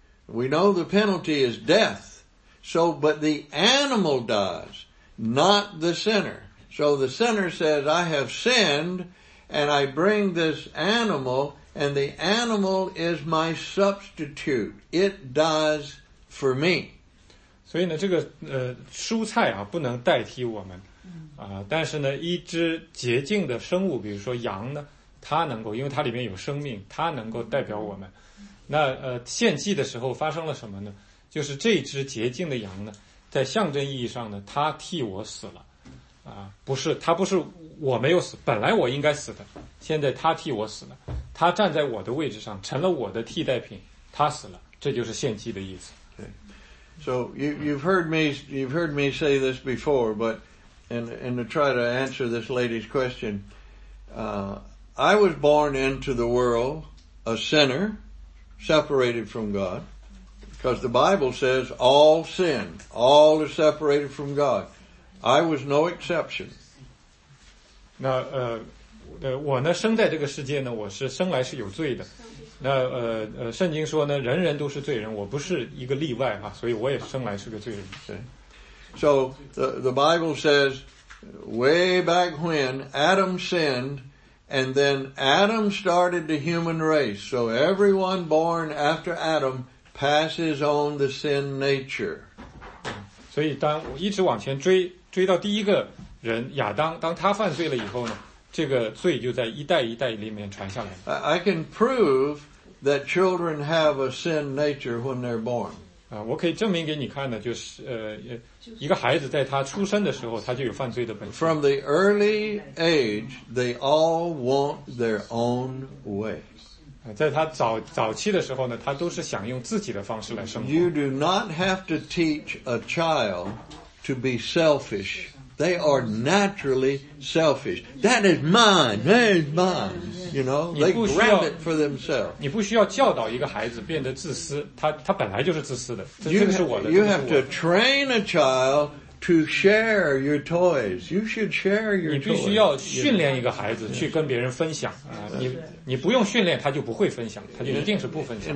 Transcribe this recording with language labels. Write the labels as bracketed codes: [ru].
[en] We know the penalty is death. So, but the animal dies, not the sinner. So the sinner says, I have sinned and I bring this animal and the animal is my substitute. It dies for me. [zh] 所以呢，这个蔬菜啊不能代替我们。但是呢，一只洁净的生物，比如说羊呢，它能够，因为它里面有生命，它能够代表我们。那献祭的时候发生了什么呢？就是这只洁净的羊呢，在象征意义上呢，它替我死了，啊，不是，它不是我没有死，本来我应该死的，现在它替我死了，它站在我的位置上，成了我的替代品，它死了，这就是献祭的意思。对、okay. [en] ，So you've heard me say this before, but and to try to answer this lady's question, I was born into the world a sinner, separated from God. Because the Bible says all sin, all is separated from God. I was no exception. [zh] 那我呢生在这个世界呢我是生来是有罪的。那圣经说呢人人都是罪人我不是一个例外啊所以我也生来是个罪人。 [en] Okay. So the Bible says way back when Adam sinned and then Adam started the human race. So everyone born after Adam,passes on the sin nature. [zh] 所以当我一直往前追追到第一个人亚当当他犯罪了以后呢这个罪就在一代一代里面传下来了。 [en] I can prove that children have a sin nature when they're born. [zh] 我可以证明给你看呢就是一个孩子在他出生的时候他就有犯罪的本性。 [en] From the early age, they all want their own way. [zh] 在他早期的时候呢他都是想用自己的方式来生活。 [en] You do not have to teach a child to be selfish. They are naturally selfish. That is mine, that is mine. You know, they grab it for themselves. [zh] 你不需要教导一个孩子变得自私他本来就是自私的。这个是我的。 [en] You have to train a child to share your toys. You should share your toys. [zh] 你必须要训练一个孩子去跟别人分享。你不用训练他就不会分享他就一定是不分享。